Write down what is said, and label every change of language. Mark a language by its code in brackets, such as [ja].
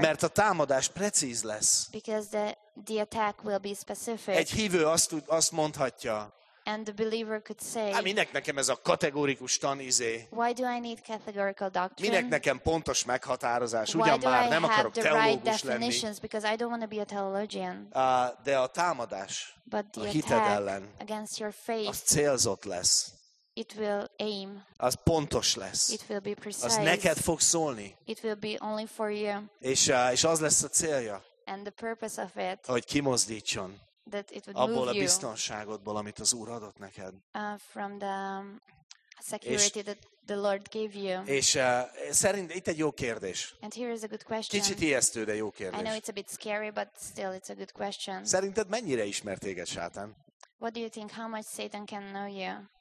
[hu] Mert a támadás precíz lesz. [en] Because the attack will be specific. [hu] Egy hívő azt mondhatja. [en] And the believer could say, [hu] minek nekem ez a kategorikus tanízé? [en] Why do I need categorical doctrine? [hu] Minek nekem pontos meghatározás? Ugyan már nem akarok teológus lenni. [en] Because I don't want to be a theologian. [hu] De a támadás [en] but [hu] a hited ellen [en] against your faith, [hu] az célzott lesz. [en] It will aim. [hu] Az pontos lesz. [en] It will be precise. [hu] Az neked fog szólni. [en] It will be only for you. [hu] És az lesz a célja. [en] And the purpose of it, [hu] hogy kimozdítson. [en] That it would [hu] abból [en] move [hu] a biztonságodból, amit az Úr adott neked. [en] From the security that the Lord gave you. [hu] És szerint itt egy jó kérdés. [en] And here is a good question. [hu] Kicsit ijesztő, de jó kérdés. [en] I know it's a bit scary, but still it's a good question. [hu] Szerinted mennyire ismer téged Sátán? [en] What do you think? How much Satan can know you?